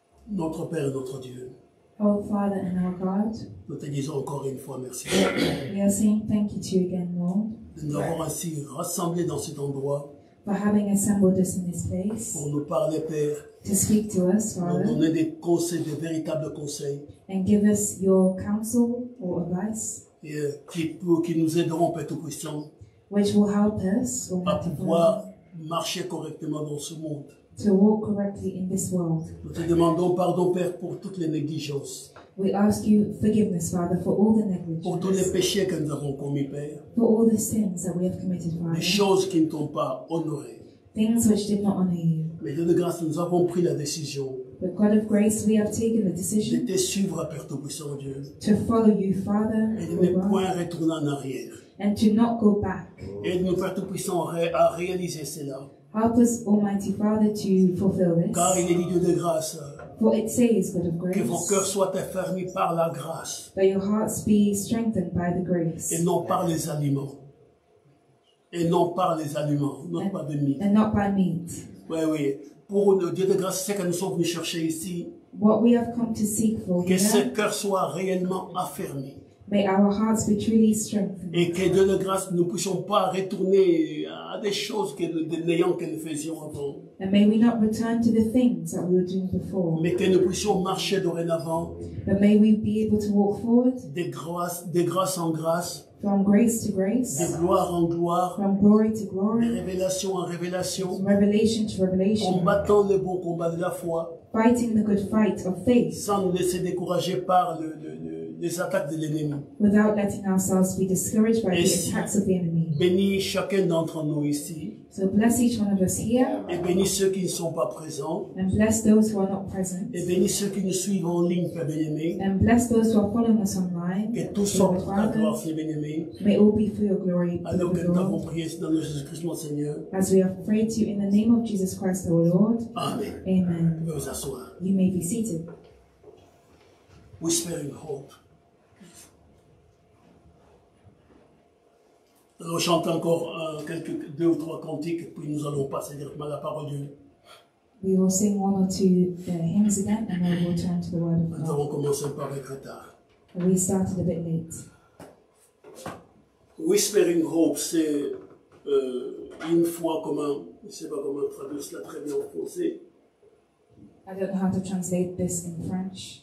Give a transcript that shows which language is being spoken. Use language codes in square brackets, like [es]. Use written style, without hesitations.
[fr] Notre Père et notre Dieu. [en] Oh Father and our God. [fr] Nous te disons encore une fois merci. [en] We are saying thank you to you again, Lord. [fr] De nous avoir ainsi rassemblés dans cet endroit. [en] For having assembled us in this place. [fr] Pour nous parler, Père. [en] To speak to us, Father. [fr] Pour donner des conseils, des véritables conseils. [en] And give us your counsel or advice. [fr] Et qui nous aideront, Père tout puissant. [en] which will help us [fr] à pouvoir marcher correctement dans ce monde. [en] To walk correctly in this world. [fr] Nous te demandons pardon, Père, pour toutes les négligences. [en] We ask you forgiveness, Father, for all the negligence. [fr] Pour tous les péchés que nous avons commis, Père. [en] For all the sins that we have committed, Father. [fr] Les choses qui ne t'ont pas honoré. [en] Things which did not honor you. [fr] Mais Dieu de grâce, nous avons pris la décision. [en] But God of grace, we have taken the decision. [fr] De te suivre, Père Tout-Puissant Dieu. [en] To follow you, Father. [fr] Et de ne point retourner en arrière. [en] And to not go back. [fr] Aide-nous, Père Tout-Puissant, à réaliser cela. [en] Help us, Almighty Father, to fulfill this. [fr] Car il est dit, Dieu de grâce. [en] For it says, God of grace. [fr] Que vos cœurs soient affermis par la grâce. [en] That your hearts be strengthened by the grace. [fr] Et non par les aliments. Et non par les aliments, non pas de mie. [en] And not by meat. [fr] Oui, oui. Pour le Dieu de grâce, c'est que nous sommes venus chercher ici. [en] What we have come to seek for. [fr] Que ce cœur soit réellement affermi. [en] May our hearts be truly strengthened. [fr] Et que Dieu de grâce, nous ne puissions pas retourner à des choses que n'ayant que nous faisions avant. [en] And may we not return to the things that we were doing before. [fr] Mais que nous puissions marcher dorénavant. [en] But may we be able to walk forward. [fr] De grâce en grâce. [en] From grace to grace. [fr] De gloire en gloire. [en] From glory to glory. [fr] De révélation en révélation. [en] From revelation to revelation. [fr] Combattant le bon combat de la foi. [en] Fighting the good fight of faith. [fr] Sans nous laisser décourager par les attaques de l'ennemi. [en] Without letting ourselves be discouraged by the attacks of the enemy. [fr] Bénis chacun d'entre nous ici. [en] So bless each one of us here. [fr] Et bénis ceux qui ne sont pas présents. [en] And bless those who are not present. [fr] Et bénis ceux qui nous suivent en ligne, Père bien-aimé. [en] And bless those who are following us online. [fr] Que tout soit pour ta gloire, Père bien-aimé. [en] May all be for your glory. [fr] Alors que nous t'avons prié dans le nom de Jésus-Christ, mon Seigneur. [en] As we have prayed to you in the name of Jesus Christ, our Lord. Amen. Amen. [fr] Vous asseoir. [en] You may be seated. Whispering hope. [fr] On chante encore deux ou trois cantiques, puis nous allons passer directement à la parole de Dieu. [en] We will sing one or two hymns again, and then we'll turn to the word of God. [fr] Nous avons commencé un peu avec retard. [en] We started a bit late. [fr] Whispering hope, c'est une foi commune. Je ne sais pas comment traduire cela très bien en français. [en] I don't know how to translate this in French.